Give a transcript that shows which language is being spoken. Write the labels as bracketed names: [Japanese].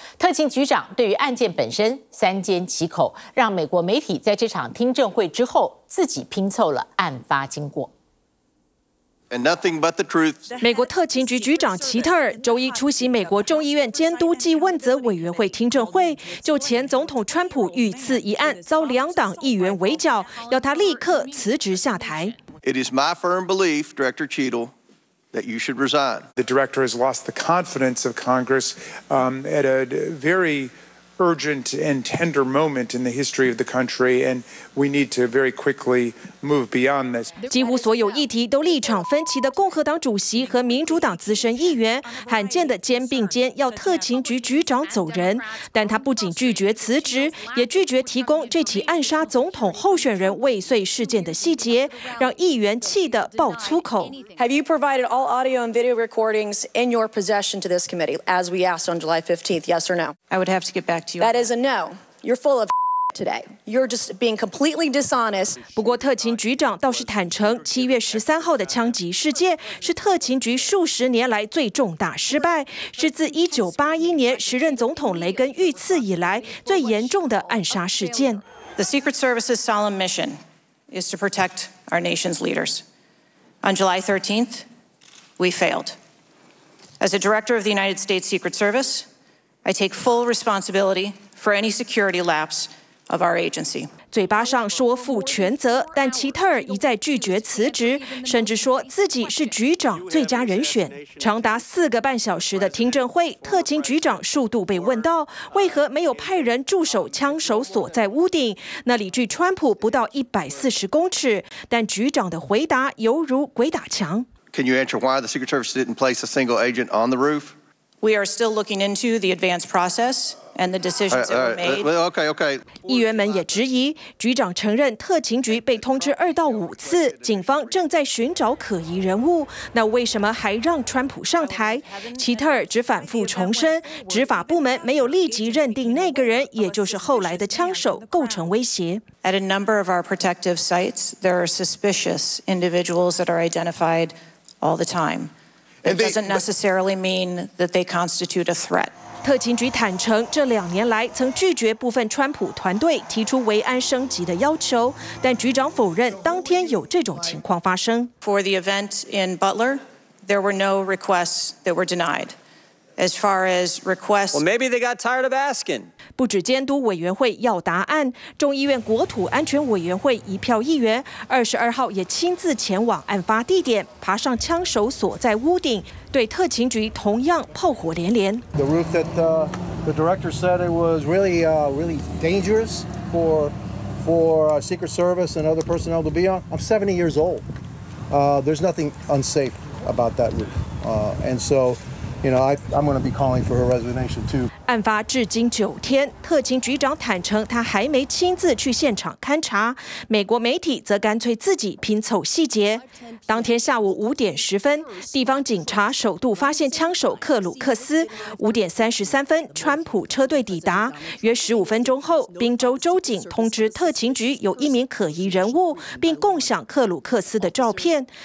[Chinese] 特勤局长对于案件本身三缄其口，让美国媒体在这场听证会之后自己拼凑了案发经过。 [English] And nothing but the truth. [Chinese] 美国特勤局局长齐特尔周一出席美国众议院监督暨问责委员会听证会，就前总统川普遇刺一案遭两党议员围剿，要他立刻辞职下台。 [English] It is my firm belief, Director Cheadle, that you should resign. The director has lost the confidence of Congress, at a very urgent and tender moment in the history of the country, and we need to very quickly move beyond this. [Chinese] 几乎所有议题都立场分歧的共和党主席和民主党资深议员罕见的肩并肩要特勤局局长走人，但他不仅拒绝辞职，也拒绝提供这起暗杀总统候选人未遂事件的细节，让议员气得爆粗口。 [English] Have you provided all audio and video recordings in your possession to this committee as we asked on July 15th? Yes or no? I would have to get back to you. That is a no. You're full of. Today, you're just being completely dishonest. [Chinese] 不过，特勤局长倒是坦诚，7月13号的枪击事件是特勤局数十年来最重大失败，是自1981年时任总统雷根遇刺以来最严重的暗杀事件。 [English] The Secret Service's solemn mission is to protect our nation's leaders. On July 13th, we failed. As a director of the United States Secret Service, I take full responsibility for any security lapse. Of our agency. [Chinese] 嘴巴上说负全责，但齐特尔一再拒绝辞职，甚至说自己是局长最佳人选。长达4个半小时的听证会，特勤局长数度被问到为何没有派人驻守枪手所在屋顶，那里距川普不到140公尺，但局长的回答犹如鬼打墙。 [English] Can you answer why the Secret Service didn't place a single agent on the roof? We are still looking into the advanced process and the decisions that were made. Okay. [Chinese] 议员们也质疑，局长承认特勤局被通知2到5次，警方正在寻找可疑人物，那为什么还让川普上台？齐特尔只反复重申，执法部门没有立即认定那个人，也就是后来的枪手构成威胁。 [English] At a number of our protective sites, there are suspicious individuals that are identified all the time. It doesn't necessarily mean that they constitute a threat. [Chinese] 特勤局坦承，这两年来曾拒绝部分川普团队提出维安升级的要求，但局长否认当天有这种情况发生。 [English] For the event in Butler, there were no requests that were denied. As far as requests, well, maybe they got tired of asking. [Chinese] 不止监督委员会要答案，众议院国土安全委员会一票议员22号也亲自前往案发地点，爬上枪手所在屋顶，对特勤局同样炮火连连。 [English] The roof that the director said it was really really dangerous for Secret Service and other personnel to be on. I'm 70 years old. There's nothing unsafe about that roof. And so. You know, I'm going to be calling for her resignation too. [Chinese] 案发至今9天，特勤局长坦承他还没亲自去现场勘查。美国媒体则干脆自己拼凑细节。当天下午5点10分，地方警察首度发现枪手克鲁克斯。 5点33分，川普车队抵达。约15分钟后，宾州州警通知特勤局有一名可疑人物，并共享克鲁克斯的照片。